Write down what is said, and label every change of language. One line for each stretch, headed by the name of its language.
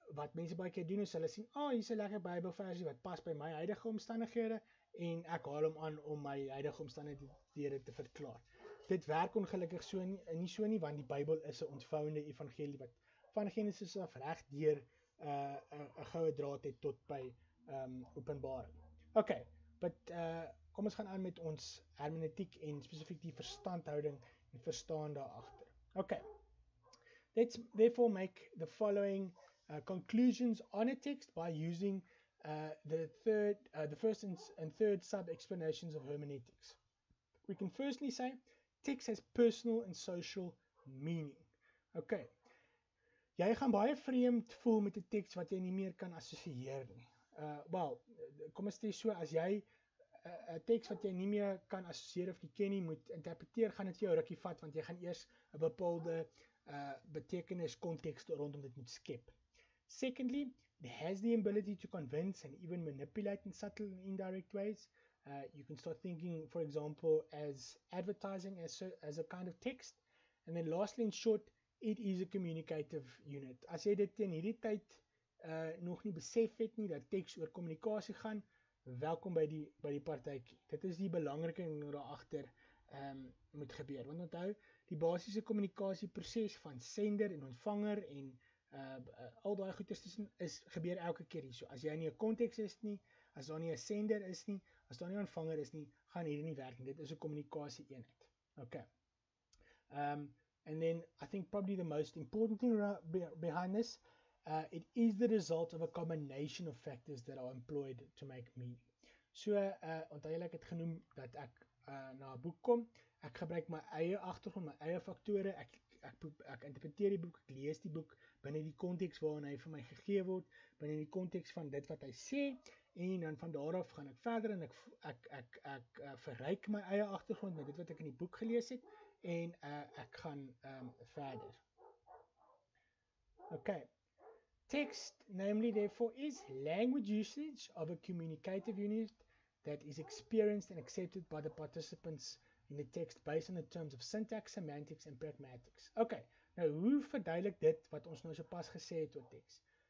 Afrikaans: Wat mense baie keer doen is hulle sien, oh, hier is 'n lekker Bybelversie wat pas by my huidige omstandighede en ek haal hom aan om my huidige omstandighede te verklaar. Dit werk ongelukkig so nie so nie, want die Bybel is 'n ontvouende evangelie wat van Genesis af reg deur 'n goue draad het tot by Openbaring. Okay, but kom ons gaan aan met ons hermeneutiek en spesifiek die verstandhouding en verstaan daarachter. Okay.
English: Let's therefore make the following conclusions on a text by using the first and third sub-explanations of hermeneutics. We can firstly say text has personal and social meaning.
Afrikaans: Okay, jy gaan baie vreemd voel met 'n teks wat jy nie meer kan assosieer nie. Kom ons sê so, as jy 'n teks wat jy nie meer kan assosieer of nie ken nie moet interpreteer, gaan dit jou rukkie vat, want jy gaan eers 'n bepaalde betekenis context rondom dit moet skep.
English: Secondly, it has the ability to convince and even manipulate in subtle and indirect ways. You can start thinking, for example, as advertising as a kind of text. And then lastly, in short, it is a communicative unit.
Afrikaans: As jy dit in hierdie tyd nog nie besef het nie, dat teks oor kommunikasie gaan, welkom by die partytjie. Dit is die belangrike ding daarachter moet gebeur, want onthou, die basiese kommunikasieproses van sender en ontvanger en al daai goeders tussen is gebeur elke keer hier. So as jy nie 'n konteks is nie, as daar nie 'n sender is nie, as daar nie 'n ontvanger is nie, gaan hierdie nie werk nie. Dit is 'n kommunikasie eenheid. Okay.
English: And then I think probably the most important thing behind this, it is the result of a combination of factors that are employed to make meaning.
Afrikaans: So onthou julle, ek het genoem dat ek na 'n boek kom. Ek gebruik my eie agtergrond, my eie faktore, ek interpreteer die boek, ek lees die boek binne die konteks waarin hy vir my gegee word, binne die konteks van dit wat hy sê, en dan van daar af gaan ek verder en ek verryk my eie agtergrond met dit wat ek in die boek gelees het, en ek gaan verder.
English: Okay, text, namely therefore, is language usage of a communicative unit that is experienced and accepted by the participants in the text based on the terms of syntax, semantics and pragmatics.
Afrikaans: Okay, nou hoe verduidelik dit wat ons nou so pas gesê het oor teks?